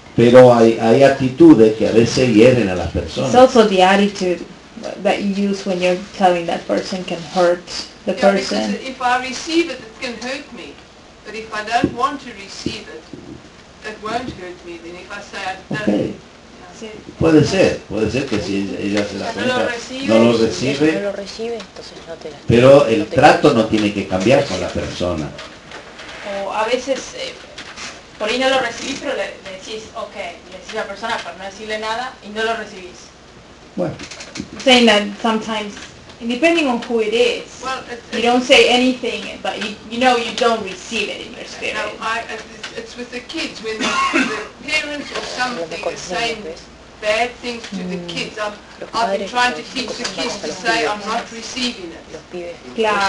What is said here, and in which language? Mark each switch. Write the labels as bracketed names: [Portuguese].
[Spanish] Pero hay actitudes que a veces hieren a las personas. [English] It's also the attitude that you use when you're telling that person can hurt the person. Because if I receive it, it can hurt me. But if I don't want to receive it, it won't hurt me. Then if I say I don't... Okay. Sí. [Spanish] Puede ser que si ella se la cuenta, no lo recibe, entonces no te la... Pero el trato no tiene que cambiar con la persona. O a veces, por ahí no lo recibís, pero le decís, ok, le decís a la persona para no decirle nada, y no lo recibís. Bueno. [English] Saying that sometimes, depending on who it is, you don't say anything, but you know you don't receive it in your spirit. No, it's with the kids, when the parents or something are saying bad things to the kids. I've been trying to teach the kids to say I'm not receiving it.